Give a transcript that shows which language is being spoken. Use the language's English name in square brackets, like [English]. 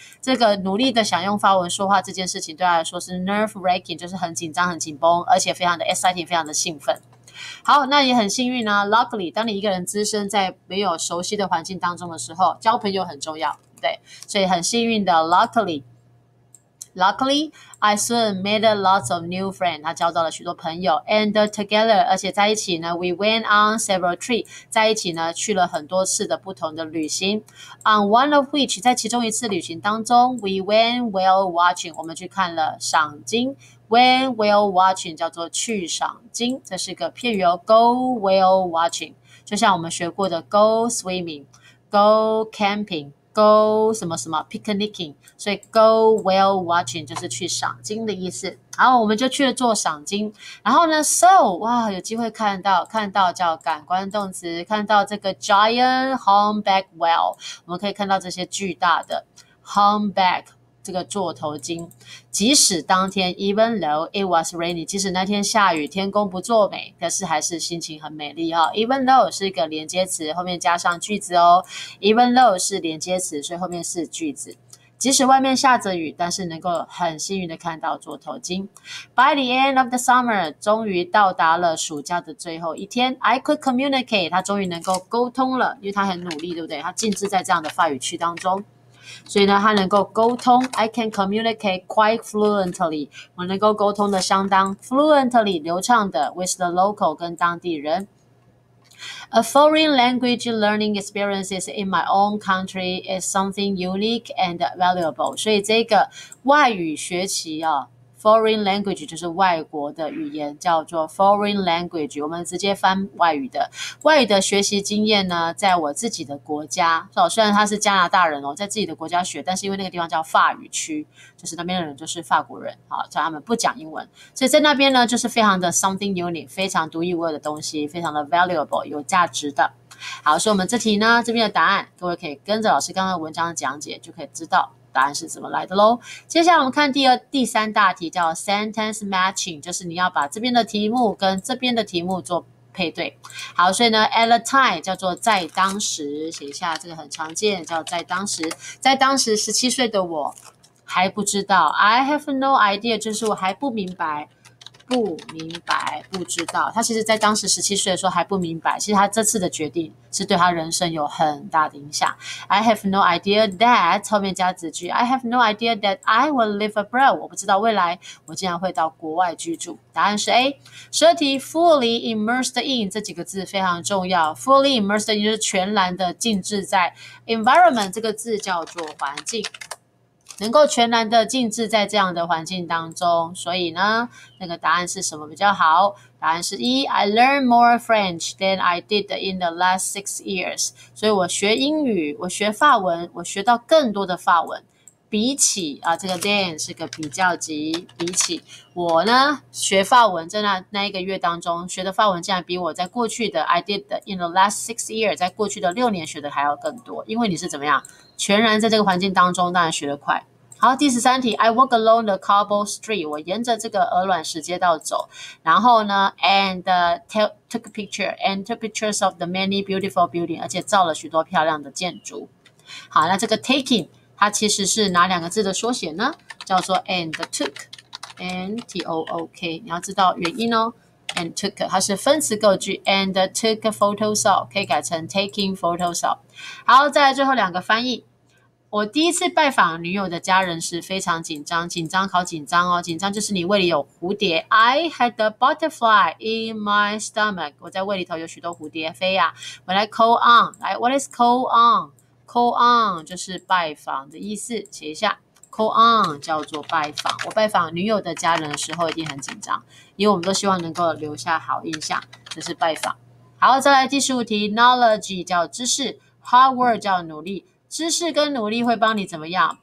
[Chinese] 这个努力的想用法文说话这件事情，对他来说是 [English] nerve breaking， [Chinese] 就是很紧张、很紧绷，而且非常的 [English] exciting， [Chinese] 非常的兴奋。好，那也很幸运呢、啊。Luckily，当你一个人只身在没有熟悉的环境当中的时候，交朋友很重要，对，所以很幸运的 Luckily。 [English] Luckily, I soon made lots of new friends. [Chinese] 他交到了许多朋友， [English] and together， [Chinese] 而且在一起呢， [English] we went on several trips. [Chinese] 在一起呢，去了很多次的不同的旅行。 [English] On one of which， [Chinese] 在其中一次旅行当中， [English] we went whale watching. [Chinese] 我们去看了赏鲸。 [English] Went whale watching [Chinese] 叫做去赏鲸，这是一个片语哦。 [English] Go whale watching [Chinese] 就像我们学过的 [English] go swimming、 go camping。 [Chinese] Go 什么什么 picnicking，所以 [English] go whale watching [Chinese] 就是去赏鲸的意思。然后我们就去了做赏鲸。然后呢，so 哇，有机会看到叫感官动词，看到这个 [English] giant humpback whale， [Chinese] 我们可以看到这些巨大的 humpback 这个座头鲸。即使当天 [English] even though it was rainy， [Chinese] 即使那天下雨，天公不作美，可是还是心情很美丽哈、哦。 Even though 是一个连接词，后面加上句子哦。Even though 是连接词，所以后面是句子。即使外面下着雨，但是能够很幸运的看到座头鲸。 [English] By the end of the summer， [Chinese] 终于到达了暑假的最后一天， [English] I could communicate， [Chinese] 他终于能够沟通了，因为他很努力，对不对？他浸渍在这样的法语区当中。所以呢，他能够沟通， [English] I can communicate quite fluently。 [Chinese] 我能够沟通的相当 fluently，流畅的 [English] with the local [Chinese] 跟当地人。 [English] A foreign language learning experiences in my own country is something unique and valuable。 [Chinese] 所以这个外语学习啊，foreign language 就是外国的语言，叫做 foreign language。我们直接翻外语的学习经验呢，在我自己的国家，哦，虽然他是加拿大人哦，在自己的国家学，但是因为那个地方叫法语区，就是那边的人就是法国人，好，哦，所以他们不讲英文，所以在那边呢，就是非常的 [English] something unique， [Chinese] 非常独一无二的东西，非常的 valuable，有价值的。好，所以我们这题呢，这边的答案，各位可以跟着老师刚刚文章的讲解，就可以知道。答案是怎么来的喽？接下来我们看第三大题，叫 [English] sentence matching， [Chinese] 就是你要把这边的题目跟这边的题目做配对。好，所以呢， [English] at a time [Chinese] 叫做在当时，写一下这个很常见，叫在当时。在当时，17岁的我还不知道， [English] I have no idea， [Chinese] 就是我还不明白。不明白，不知道。他其实在当时17岁的时候还不明白，其实他这次的决定是对他人生有很大的影响。 [English] I have no idea that [Chinese] 后面加子句， [English] I have no idea that I will live abroad。 [Chinese] 我不知道未来我竟然会到国外居住。答案是 A。十二题， [English] fully immersed in [Chinese] 这几个字非常重要。 [English] fully immersed in [Chinese] 就是全然的浸渍在，environment 这个字叫做环境。能够全然的浸渍在这样的环境当中，所以呢，那个答案是什么比较好？答案是一， [English] I learn more French than I did in the last 6 years。 [Chinese] 所以我学英语，我学法文，我学到更多的法文。比起啊，这个 than 是个比较级，比起我呢学法文，在那一个月当中学的法文，竟然比我在过去的 [English] I did in the last 6 years， [Chinese] 在过去的6年学的还要更多。因为你是怎么样，全然在这个环境当中，当然学得快。好，第十三题， [English] I walk along the cobble street， [Chinese] 我沿着这个鹅卵石街道走，然后呢， [English] and took pictures of the many beautiful building， [Chinese] 而且照了许多漂亮的建筑。好，那这个 taking。它其实是哪两个字的缩写呢？叫做 [English] and took， [Chinese] n t o o k。你要知道元音哦，and took 它是分词构句， [English] and took photos of [Chinese] 可以改成 [English] taking photos of。 [Chinese] 好，再来最后两个翻译我第一次拜访女友的家人是非常紧张，紧张好紧张哦，紧张就是你胃里有蝴蝶。 [English] I had a butterfly in my stomach， [Chinese] 我在胃里头有许多蝴蝶飞啊。我来 [English] call on， [Chinese] 来 [English] what is call on？ call on [Chinese] 就是拜访的意思，写一下。call on 叫做拜访，我拜访女友的家人的时候一定很紧张，因为我们都希望能够留下好印象，这是拜访。好，再来第十五题， knowledge 叫知识， [English] hard work [Chinese] 叫努力，知识跟努力会帮你怎么样？